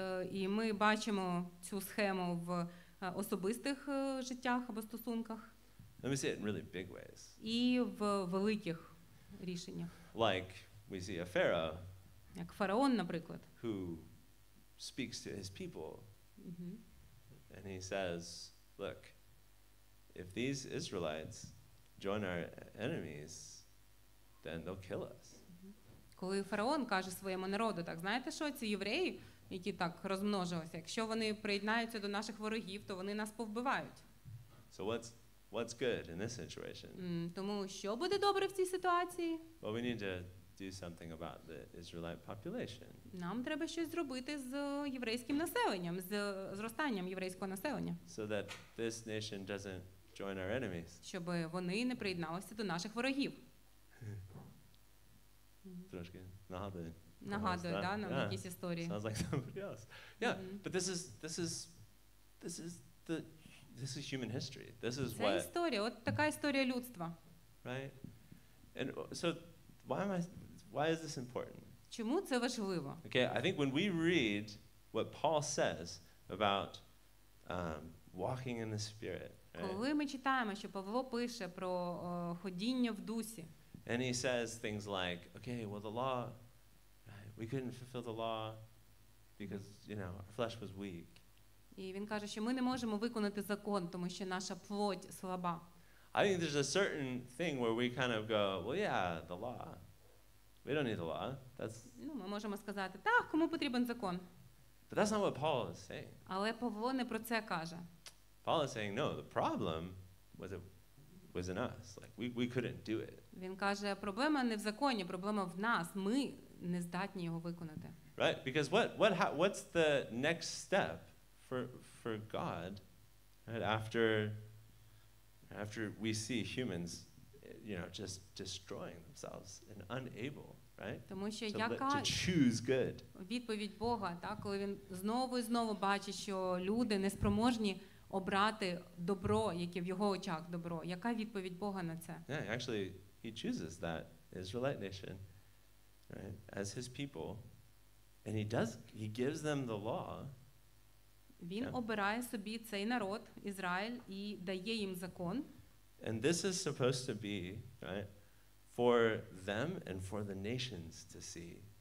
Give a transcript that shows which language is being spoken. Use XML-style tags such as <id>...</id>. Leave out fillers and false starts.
<uk>І ми бачимо цю схему в особистих життях або стосунках.</uk> <en>And we see it in really big ways.</en> <uk>І в великих рішеннях.</uk> <en>Like we see a pharaoh.</en> <uk>Як фараон, наприклад.</uk> <en>Who speaks to his people. And he says, look, if these Israelites join our enemies, then they'll kill us.</en> <uk>Коли фараон каже своєму народу, так, знаєте що, ці євреї, які так розмножилися, якщо вони приєднаються до наших ворогів, то вони нас повбивають.</uk> <en>So what's good in this situation?</en> <uk>Тому що буде добре в цій ситуації?</uk> <en>Well, we need to do something about the Israelite population.</en> <uk>Нам треба щось зробити з єврейським населенням, з зростанням єврейського населення.</uk> <en>So that this nation doesn't join our enemies.</en> <uk>Щоб вони не приєдналися до наших ворогів. Трошки нагадує, да, нам якісь історії.</uk> <en>Sounds like somebody else. Yeah, but this is human history. This is what.</en> <uk>Це історія, от така історія людства.</uk> <en>Right? And so why is this important?</en> <uk>Чому це важливо?</uk> <en>Okay, I think when we read what Paul says about walking in the Spirit.</en> <uk>Коли ми читаємо, що Павло пише про ходіння в Дусі.</uk> <en>And he says things like, okay, well the law, we couldn't fulfill the law because, you know, our flesh was weak.</en> <uk>І він каже, що ми не можемо виконати закон, тому що наша плоть слаба.</uk> <en>I think there's a certain thing where we kind of go, well yeah, the law. We don't need the law. That's</en> <uk>Ну, ми можемо сказати: "Так, кому потрібен закон?"</uk> <en>But that's not what Paul is saying.</en> <uk>Але Павло не про це каже.</uk> <en>Paul is saying, no, the problem was in us. Like we couldn't do it.</en> <uk>Він каже, проблема не в законі, проблема в нас. Ми не здатні його виконати.</uk> <en>Right? Because what's the next step for God, right? After we see humans, you know, just destroying themselves and unable, right?</en> <uk>Тому що</uk> <en>to choose good.</en> <uk>Відповідь Бога, так, коли він знову і знову бачить, що люди неспроможні обрати добро, яке в його очах добро. Яка відповідь Бога на це?</uk> <en>Yeah, actually, he chooses that Israelite nation, right, as his people, and he gives them the law.</en> <uk>Він обирає собі цей народ, Ізраїль, і дає їм закон.</uk> <en>And this is supposed to be, right, for them and for the nations to see.</en>